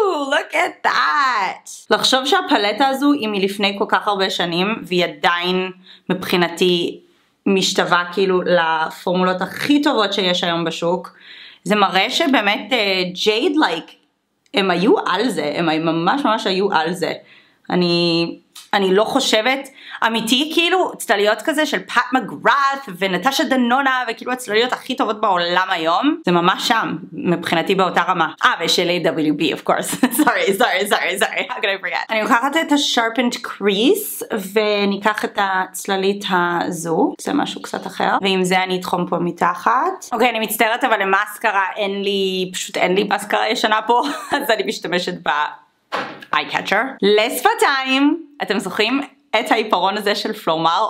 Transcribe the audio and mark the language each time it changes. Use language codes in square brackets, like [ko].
[en] Look at that! [he] לחשוב שהפלטה הזו היא מלפני כל כך הרבה שנים, והיא עדיין מבחינתי משתווה כאילו לפורמולות הכי טובות שיש היום בשוק, זה מראה שבאמת ג'ייד לייק, הם היו על זה, הם ממש ממש היו על זה. אני לא חושבת, אמיתי כאילו צלליות כזה של פאט מגראת ונטשה דנונה וכאילו הצלליות הכי טובות בעולם היום, זה ממש שם מבחינתי באותה רמה. ושל [en] AWB of course. sorry, how could I forget. [he] אני לוקחת את השארפנד קריס וניקח את הצללית הזו, זה משהו קצת אחר, ועם זה אני אתחום פה מתחת. אוקיי, אני מצטערת אבל למאסקרה אין לי, פשוט אין לי מאסקרה ישנה פה, אז אני משתמשת ב eye catcher. לשפתיים, אתם זוכרים את העיפרון הזה של פלומר?